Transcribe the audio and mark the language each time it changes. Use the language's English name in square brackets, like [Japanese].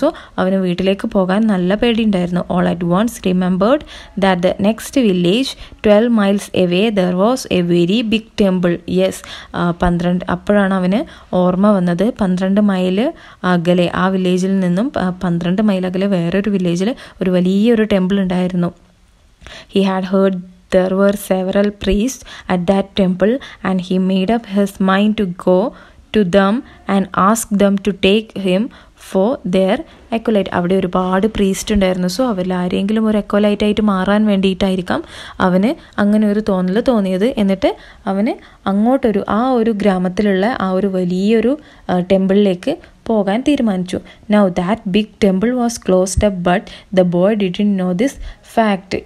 [Malayalam] So അവന് വീട്ടിലേക്ക് പോകാൻ നല്ല പേടിയുണ്ടായിരുന്നു. [English] All at once remembered that the next village 12 miles away there was a very big temple. [Malayalam] Yes, 12, അപ്പോഴാണ് അവന് ഓർമ്മ വന്നത്. 12 miles അകലെ ആ വില്ലേജിൽ നിന്നും 12 miles അകലെ വേറൊരു വില്ലേജിൽ ഒരു വലിയൊരു ടെമ്പിൾ ഉണ്ടായിരുന്നു. [English] He had heard There were several priests at that temple and he made up his mind to go to them and ask them to take him for their acolyte. [Malayalam] അവിടെ ഒരുപാട് priest ഉണ്ടായിരുന്നു. So അവരിൽ ആരെങ്കിലും ഒരു അക്കോലൈറ്റായിട്ട് മാറാൻ വേണ്ടിയിട്ടായിരിക്കാം അവന് അങ്ങനെ ഒരു തോന്നൽ തോന്നിയത്. എന്നിട്ട് അവന് അങ്ങോട്ടൊരു ആ ഒരു ഗ്രാമത്തിലുള്ള ആ ഒരു വലിയൊരു ടെമ്പിളിലേക്ക് പോകാൻ തീരുമാനിച്ചു. [English] Now that big temple was closed up but the boy didn't know this fact.